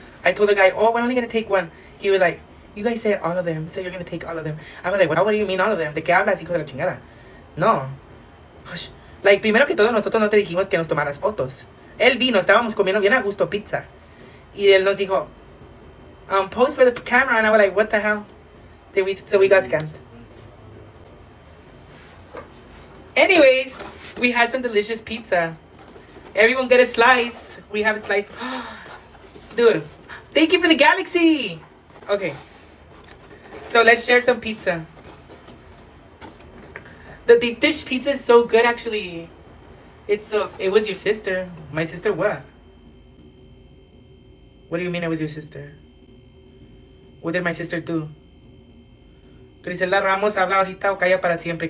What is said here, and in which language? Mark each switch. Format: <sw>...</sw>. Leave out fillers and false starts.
<en>I told the guy, oh, we're only gonna take one. He was like, you guys said all of them, so you're gonna take all of them. I was like, what do you mean all of them?</en> <es>¿De qué hablas, hijo de la chingada?</es> <en>No. Hush.</en> <es>Like, primero que todo, nosotros no te dijimos que nos tomaras fotos. Él vino, estábamos comiendo bien a gusto pizza. Y él nos dijo,</es> <en>pose for the camera, and I was like, what the hell? So we got scammed. Anyways, we had some delicious pizza. Everyone get a slice. We have a slice. Dude, thank you for the galaxy. Okay. So let's share some pizza. The deep dish pizza is so good, actually. It was your sister. My sister, what? What do you mean it was your sister? What did my sister do?</en> <es>Griselda Ramos, habla ahorita o calla para siempre.</es>